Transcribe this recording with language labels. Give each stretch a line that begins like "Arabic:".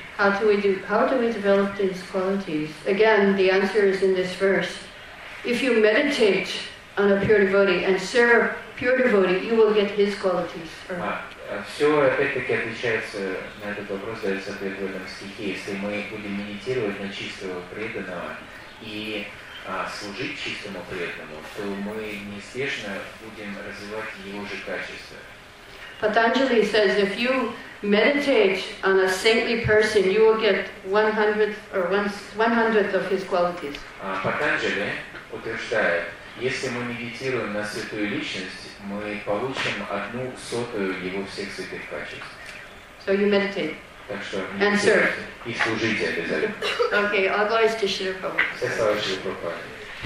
English: How do we develop these qualities? Again, the answer is in this verse. If you meditate on a pure devotee and serve a pure devotee, you will get his qualities.
Russian: Все опять-таки отвечается на этот вопрос, дается ответ в этом стихе. Если мы будем медитировать на чистого преданного и служить чистому преданному, то мы неспешно будем развивать его же качества.
English: Patanjali says, if you meditate on a saintly person, you will get 100th of his qualities.
Russian: Patanjali утверждает, если мы медитируем на святую личность, мы получим 1/100 его всех святых качеств.
English: So you meditate.
Russian: Так что
English: and serve.
Russian: И служите обязательно.
English: Okay, all glories to Śrīla Prabhupāda.
Russian: Все слава Śrīla Prabhupāda.